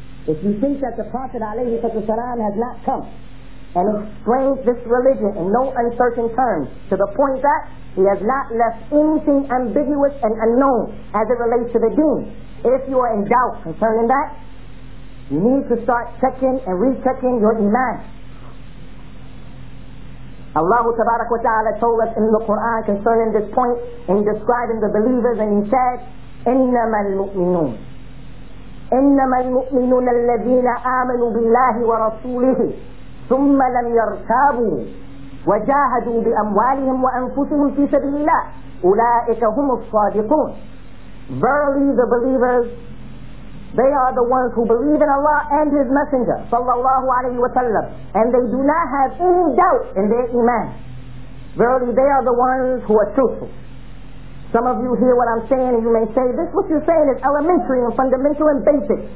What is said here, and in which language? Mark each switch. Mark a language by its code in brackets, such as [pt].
[en] If you think that the Prophet alayhi sallam has not come and explained this religion in no uncertain terms to the point that he has not left anything ambiguous and unknown as it relates to the deen, if you are in doubt concerning that, you need to start checking and rechecking your iman. Allah Tabarak wa Ta'ala told us in the Quran concerning this point in describing the believers, and he said, [ar] إِنَّمَا الْمُؤْمِنُونَ إِنَّمَا الْمُؤْمِنُونَ الَّذِينَ آمَنُوا بِاللَّهِ وَرَسُولِهِ ثُمَّ لَمْ يَرْتَابُوا وَجَاهَدُوا بِأَمْوَالِهِمْ وَأَنفُسِهِمْ فِي سَبِيلِ اللَّهِ أُولَٰئِكَ هُمُ الصَّادِقُونَ. [en] Verily the believers, they are the ones who believe in Allah and His Messenger, sallallahu alayhi wa sallam, and they do not have any doubt in their iman. Verily, they are the ones who are truthful. Some of you hear what I'm saying, and you may say, this what you're saying is elementary and fundamental and basic.